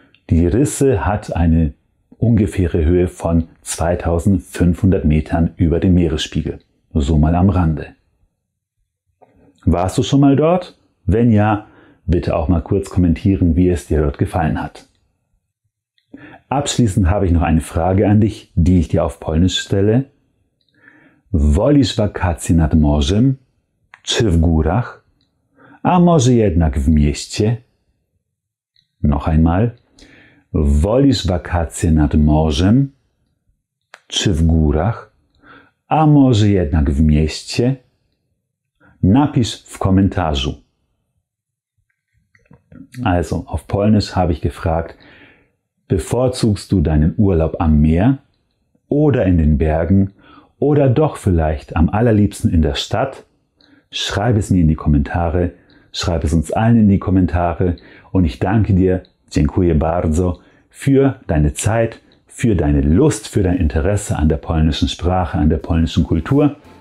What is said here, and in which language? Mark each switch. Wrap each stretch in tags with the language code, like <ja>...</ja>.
<de>Die Risse hat eine ungefähre Höhe von 2500 Metern über dem Meeresspiegel. So mal am Rande. Warst du schon mal dort? Wenn ja, bitte auch mal kurz kommentieren, wie es dir dort gefallen hat. Abschließend habe ich noch eine Frage an dich, die ich dir auf Polnisch stelle.</de> <pl>Wolisz wakacje nad morzem, czy w górach, a może jednak w mieście?</pl> <de>Noch einmal.</de> <pl>Wolisz wakacje nad morzem, czy w górach, a może jednak w mieście? Napisz w komentarzu.</pl> <de>Also, auf Polnisch habe ich gefragt, bevorzugst du deinen Urlaub am Meer oder in den Bergen oder doch vielleicht am allerliebsten in der Stadt? Schreib es mir in die Kommentare, schreib es uns allen in die Kommentare und ich danke dir,</de> <pl>dziękuję bardzo,</pl> <de>für deine Zeit, für deine Lust, für dein Interesse an der polnischen Sprache, an der polnischen Kultur.</de>